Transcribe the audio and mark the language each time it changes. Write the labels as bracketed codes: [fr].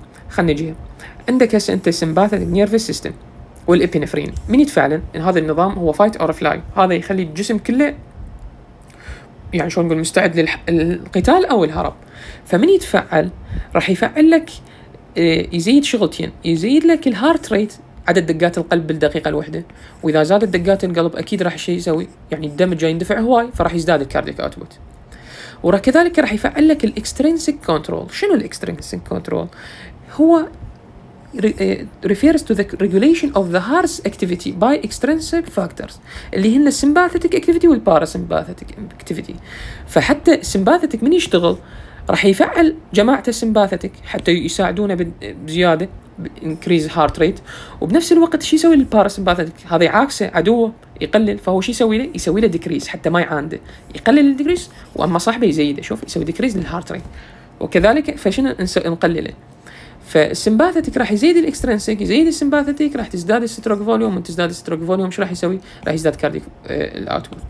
[ar] خلنا نجيها عندك هسه انت سمباثيك نيرفس سيستم والابينفرين من يتفعلن هذا النظام هو فايت اور فلاي، هذا يخلي الجسم كله يعني شلون نقول مستعد للقتال او الهرب، فمن يتفعل راح يفعل لك يزيد شغلتين، يزيد لك الهارت ريت عدد دقات القلب بالدقيقة الواحدة، وإذا زادت دقات القلب أكيد راح شيء يسوي يعني الدم جاي يندفع هواي فراح يزداد الكارديك أوتبوت، ورا كذلك راح يفعل لك الإكسترينسيك كنترول. شنو الإكسترينسيك كنترول؟ هو [en] refers to the regulation of the heart's activity by extrinsic factors [ar] اللي هن [en] sympathetic activity والparasympathetic activity. [ar] فحتى sympathetic من يشتغل راح يفعل جماعة sympathetic حتى يساعدونه بزيادة [en] increase heart rate، [ar] وبنفس الوقت شي يسوي للباراسمباثيك هذا يعاكسه عدوه يقلل، فهو شي يسوي له يسوي له decrease حتى ما يعانده، يقلل الديكريس واما صاحبه يزيده، شوف يسوي decrease للهارت ريت وكذلك فشن نقلله، فالسمباثيك راح يزيد الاكسترنسيك يزيد السمباثيك راح تزداد الستروك فوليوم، وتزداد الستروك فوليوم شو راح يسوي؟ راح يزداد كارديك الاوتبوت.